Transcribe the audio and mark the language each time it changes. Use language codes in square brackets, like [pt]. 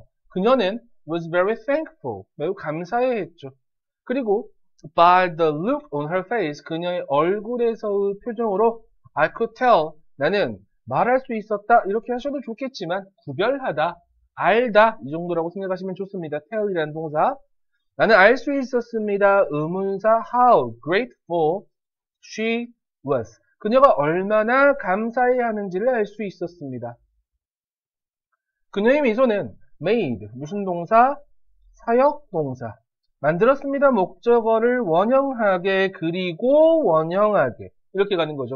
[ko] 그녀는 [en] was very thankful. [ko] 매우 감사해했죠. 그리고 [en] by the look on her face, [ko] 그녀의 얼굴에서의 표정으로 [en] I could tell. [ko] 나는 말할 수 있었다. 이렇게 하셔도 좋겠지만 구별하다, 알다 이 정도라고 생각하시면 좋습니다. tell이라는 동사. 나는 알수 있었습니다. [en] 의문사 how grateful she was. [ko] 그녀가 얼마나 감사해하는지를 알수 있었습니다. 그녀의 미소는 made, 무슨 동사? 사역 동사. 만들었습니다. 목적어를 원형하게, 그리고 원형하게. 이렇게 가는 거죠.